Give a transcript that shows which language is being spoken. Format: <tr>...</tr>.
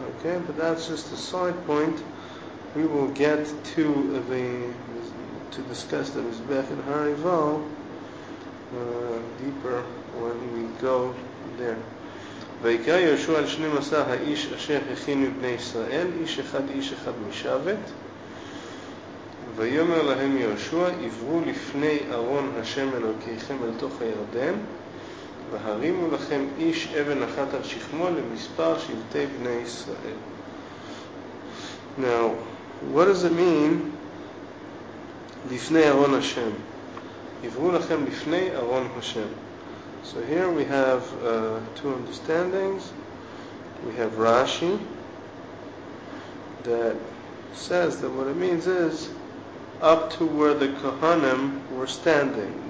<en>Okay, but that's just a side point. We will get to discuss the Mizbech and Harivah deeper when we go there.</en> <he>ויקרא יהושע על 12 האיש אשר הכין מבני ישראל, איש אחד איש אחד משבט. ויאמר להם יהושע, עברו לפני ארון השם אלוקיכם אל תוך הירדן, והרימו לכם איש אבן אחת על שכמו למספר שבטי בני ישראל.</he> <en>Now, what does it mean,</en> <he>לפני ארון השם? עברו לכם לפני ארון השם.</he> <en>So here we have two understandings. We have Rashi that says that what it means is up to where the Kohanim were standing.</en>